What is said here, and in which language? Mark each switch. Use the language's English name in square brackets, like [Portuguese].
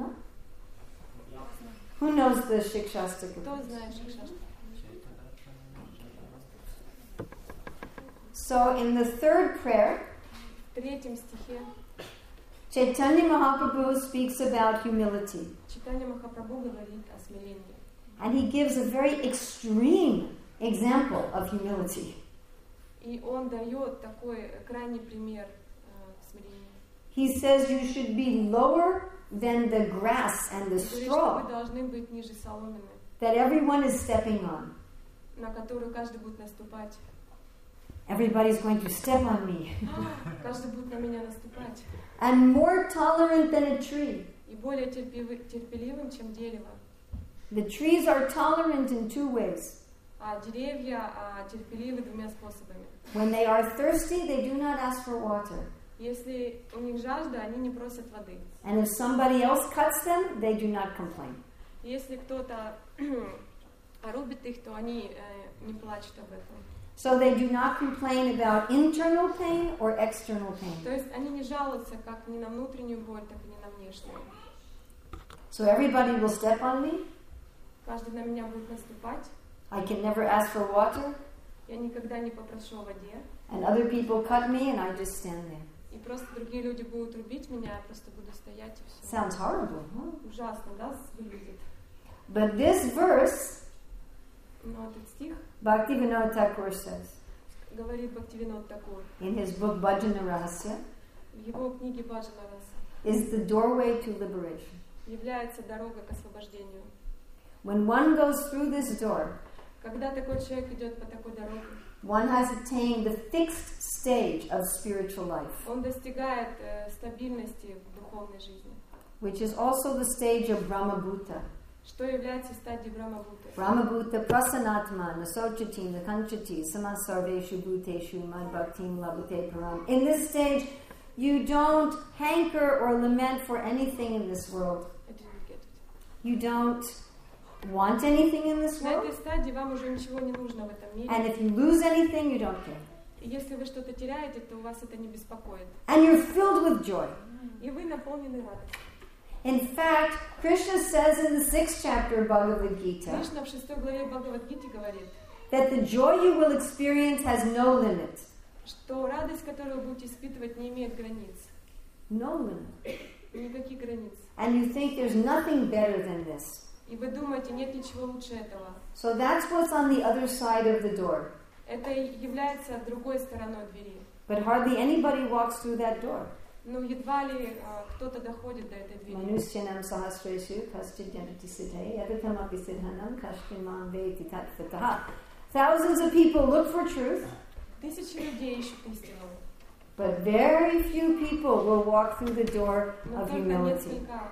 [English] No? Who knows the Shikshastaka? [Russian] Кто знает Шикшаштаку? [English] So in the third prayer, [Russian] в третьем стихе, [English] Chaitanya Mahaprabhu speaks about humility. [Russian] Читания Махапрабху говорит о смирении. [English] And he gives a very extreme example of humility. [Russian] И он дает такой крайний пример смирения. [English] He says you should be lower than the grass and the straw. [Russian] Вы должны быть ниже соломины. [English] That everyone is stepping on. [Russian] На которую каждый будет наступать. [English] Everybody's going to step on me. [Russian] Каждый будет на меня наступать. [English] And more tolerant than a tree. [Russian] И более терпеливым, чем дерево. [English] The trees are tolerant in two ways. [Russian] А деревья терпеливы двумя способами. [English] When they are thirsty, they do not ask for water. [Russian] Если у них жажда, они не просят воды. [English] And if somebody else cuts them, they do not complain. [Russian] Если кто-то рубит их, то они не плачут об этом. [English] So they do not complain about internal pain or external pain. [Russian] То есть они не жалуются как ни на внутреннюю боль, так и ни на внешнюю. [English] So everybody will step on me. [Russian] Каждый на меня будет наступать. [English] I can never ask for water. [Russian] Я никогда не попрошу о воде. [English] And other people cut me and I just stand there. [Russian] И просто другие люди будут рубить меня, я просто буду стоять и все. [English] Sounds horrible, huh? [Russian] Ужасно, да, выглядит. [English] But this verse, [Russian] но этот стих, [English] Bhaktivinoda Thakur says, [Russian] говорит Бхактивинода Такур, [English] in his book Bhajana Rahasya, [Russian] в его книге Bhajana Rahasya, [English] is the doorway to liberation. [Russian] Является дорога к освобождению. [English] When one goes through this door, [Russian] когда такой человек идет по такой дороге, [English] one has attained the fixed stage of spiritual life. [Russian] Он достигает стабильности в духовной жизни. [English] Which is also the stage of Brahmabhuta. [Russian] Что является стадией Брахмабхуты? [Sanskrit] Брахмабхута прасанатма насочити наканчити самасарвешу бхутешу мадбхактим лабхуте парам. [English] In this stage, you don't hanker or lament for anything in this world. I didn't get it. You don't want anything in this world. [Russian] На этой стадии вам уже ничего не нужно в этом мире. [English] And if you lose anything, you don't care. [Russian] Если вы что-то теряете, то у вас это не беспокоит. [English] And you're filled with joy. [Russian] И вы наполнены радостью. [English] In fact, Krishna says in the 6th chapter of Bhagavad Gita, [Russian] Krishna в 6-й главе Бхагавад Гиты говорит, [English] that the joy you will experience has no limit. [Russian] Что радость, которую вы будете испытывать, не имеет границ. [English] No limit. [Russian] Никаких границ. [English] And you think there's nothing better than this. [Russian] И вы думаете, нет ничего лучше этого. [English] So that's what's on the other side of the door. [Russian] Это является другой стороной двери. [English] But hardly anybody walks through that door. [Russian] Ну, едва ли кто-то доходит до этой двери. [Sanskrit] Манусьянам сахасрешу касчидьянати сиддхай ядатамапи сиддханам кашкимам вейти татфатаха. [English] Thousands of people look for truth. [Russian] Тысячи людей ищут истину. [English] But very few people will walk through the door of humility.